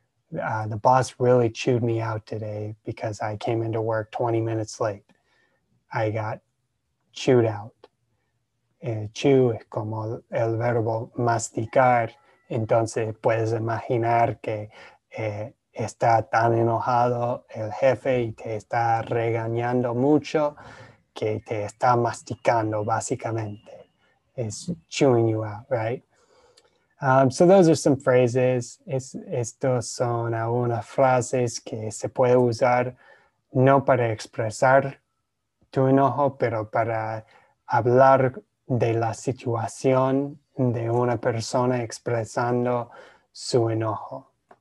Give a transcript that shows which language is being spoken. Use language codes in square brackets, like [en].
[en] The boss really chewed me out today because I came into work 20 minutes late. I got chewed out. [es] Chew es como el verbo masticar. Entonces puedes imaginar que está tan enojado el jefe y te está regañando mucho que te está masticando básicamente. [en] Es chewing you out, right? So those are some phrases. [es] Estos son algunas frases que se puede usar no para expresar tu enojo, pero para hablar de la situación de una persona expresando su enojo.